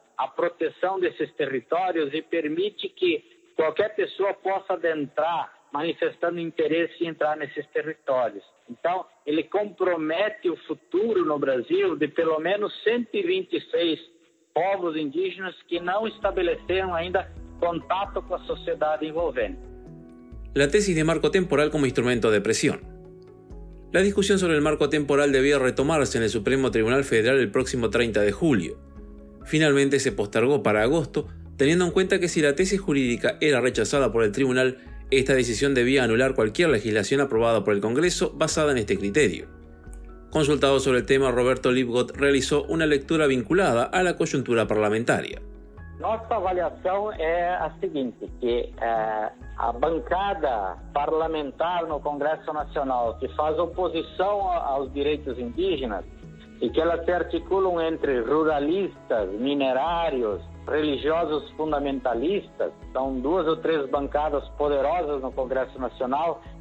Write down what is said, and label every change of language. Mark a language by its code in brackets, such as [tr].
[pt] a proteção desses territórios e permite que qualquer pessoa possa adentrar manifestando interesse em entrar nesses territórios. Então, ele compromete o futuro no Brasil de pelo menos 126 povos indígenas que não estabeleceram ainda contato com a sociedade envolvente. [es] La tesis de marco temporal como instrumento de presión. La discusión sobre el marco temporal debía retomarse en el Supremo Tribunal Federal el próximo 30 de julio. Finalmente se postergó para agosto, teniendo en cuenta que si la tesis jurídica era rechazada por el tribunal, esta decisión debía anular cualquier legislación aprobada por el Congreso basada en este criterio. Consultado sobre el tema, Roberto Lipgott realizó una lectura vinculada a la coyuntura parlamentaria. Nuestra avaliación es la siguiente, que la bancada parlamentar no Congreso Nacional que faz oposición a los derechos indígenas y que ellas se articulan entre ruralistas, minerarios, religiosos fundamentalistas, [pt] são duas ou três bancadas poderosas no Congresso Nacional